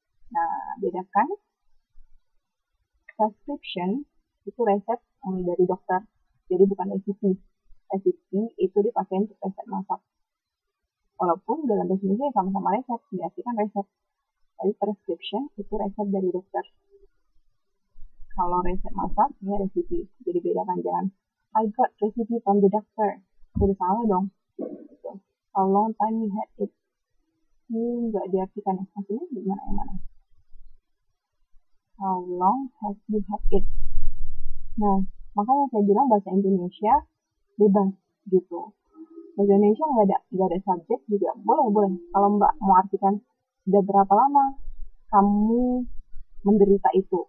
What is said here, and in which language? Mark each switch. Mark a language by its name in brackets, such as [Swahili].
[Indonesian] Nah, bedakan prescription itu resep dari dokter, jadi bukan resipi. Resipi itu dipakai untuk resep masak. Walaupun dalam resipi sama-sama resep, diartikan resep. tapi prescription itu resep dari dokter. Kalau resep masak, ini resipi. Jadi beda kan, jangan [English] I got recipe from the doctor. [Indonesian] Sudah salah dong. [English] So, how long time you had it? [Indonesian] Ini nggak diartikan ya. Maksudnya gimana yang mana? [English] How long has you had it? [Indonesian] Nah, makanya saya bilang bahasa Indonesia bebas gitu. Bahasa Indonesia nggak ada subjek juga. Boleh-boleh. Kalau mbak mau artikan, sudah berapa lama kamu menderita itu?